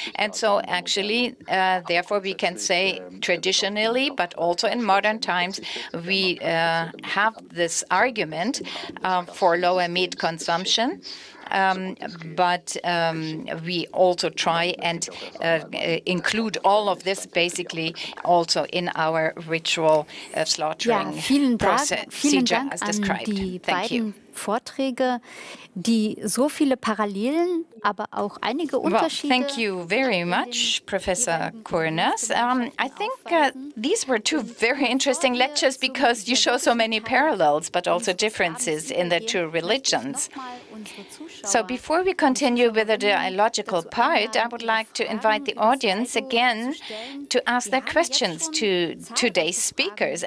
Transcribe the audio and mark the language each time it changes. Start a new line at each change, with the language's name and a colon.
English: And so actually, therefore, we can say traditionally, but also in modern times, we have this argument for lower meat consumption. but we also try and include all of this basically also in our ritual slaughtering procedure as described. Thank you.
German: Vorträge, die so viele Parallelen, aber auch einige Unterschiede.
English: Well, thank you very much, Professor Kornas. I think these were two very interesting lectures because you show so many parallels, but also differences in the two religions. So before we continue with the dialogical part, I would like to invite the audience again to ask their questions to today's speakers.